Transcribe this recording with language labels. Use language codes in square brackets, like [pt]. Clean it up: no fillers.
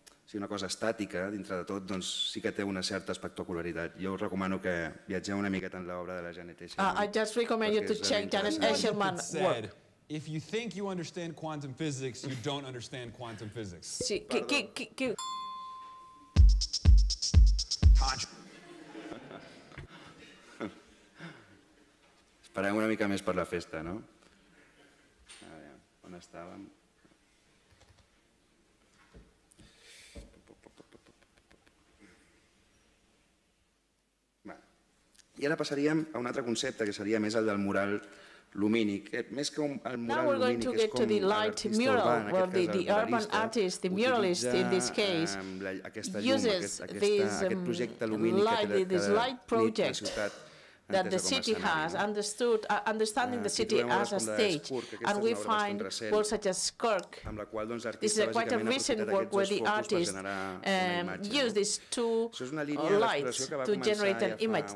[ca] sigui una cosa estàtica dintre de tot, doncs sí que té una certa espectacularitat. Jo us recomano que viatgeu una mica en l'obra de la Janet Eschermann. [en] I just recommend you to check Janet Eschermann's work. If you think you understand quantum physics, you don't understand quantum physics. [ca] Sí, qui... Esperem una mica més per la festa, no? A veure, on estàvem? I ara passaríem a un altre concepte, que seria més el del mural lumínic. Més que el mural lumínic, és com l'artista urbà, en aquest cas, [en] the urban artist, the muralist, in this case, uses this light project that the city has understood, understanding the city as a stage. And we find works such as Kirk. This is quite a recent work where the artist used these two lights to generate an image.